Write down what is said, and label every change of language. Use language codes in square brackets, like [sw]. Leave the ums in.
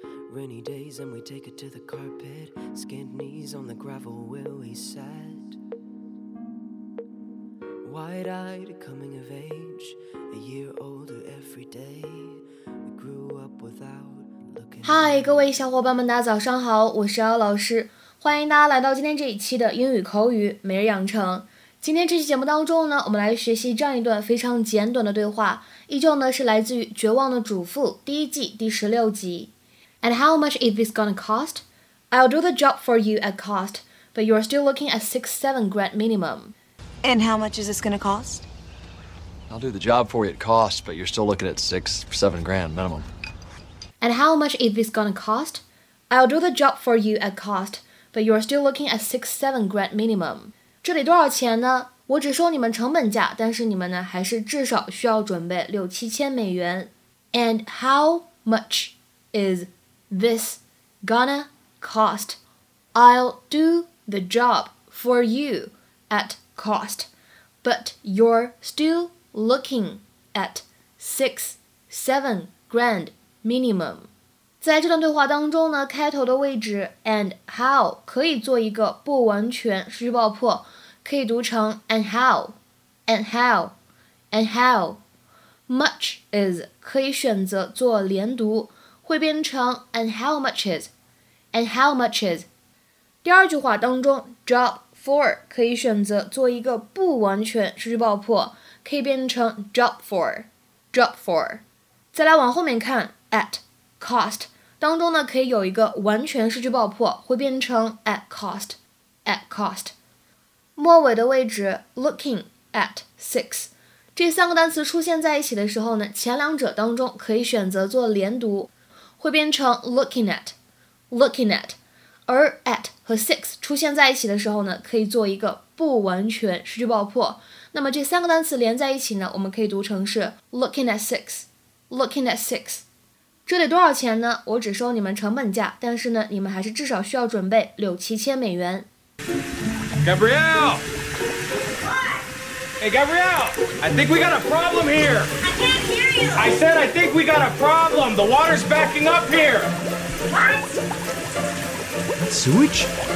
[en] Rainy days, and we take it to the carpet. Skinned knees on the gravel where we sat. Wide eyed, coming of age, a year older every day. We grew up without looking. [zh] 嗨，各位小伙伴们，大家早上好，我是姚老师，欢迎大家来到今天这一期的英语口语每日养成。今天这期节目当中呢，我们来学习这样一段非常简短的对话，依旧呢是来自于《绝望的主妇》第一季第十六集。 [en] And how much is this gonna cost? I'll do the job for you at cost, but you're still looking at six, seven grand minimum. And how much is this going to cost? I'll do the job for you at cost, but you're still looking at six, seven grand minimum. And how much is this gonna cost? I'll do the job for you at cost, but you're still looking at six, seven grand minimum. [zh] 这里多少钱呢？我只收你们成本价，但是你们呢，还是至少需要准备六七千美元。 [en] And how much is this gonna cost? I'll do the job for you at cost, but you're still looking at six, seven grand minimum。 [zh] 在这段对话当中呢，开头的位置 and how 可以做一个不完全失去爆破，可以读成 [en] and how，and how，and how。 [zh] much is 可以选择做连读，会变成 [en] and how much is，and how much is。 [zh] 第二句话当中，job for 可以选择做一个不完全失去爆破，可以变成 [en] job for，job for。 [zh] 再来往后面看，at cost 当中呢，可以有一个完全失去爆破，会变成 [en] at cost，at cost。 [zh] 末尾的位置 [en] looking at six [zh] 这三个单词出现在一起的时候呢，前两者当中可以选择做连读，会变成 [en] looking at，looking at。 [zh] 而 at 和 six 出现在一起的时候呢，可以做一个不完全失去爆破。那么这三个单词连在一起呢，我们可以读成是 [en] looking at six，looking at six。 [zh] 这得多少钱呢？我只收你们成本价，但是呢，你们还是至少需要准备六七千美元。 [en] Gabrielle! Hey, Gabrielle! I think we got a problem here! I can't hear you. I said I think we got a problem! The water's backing up here! What? Sewage?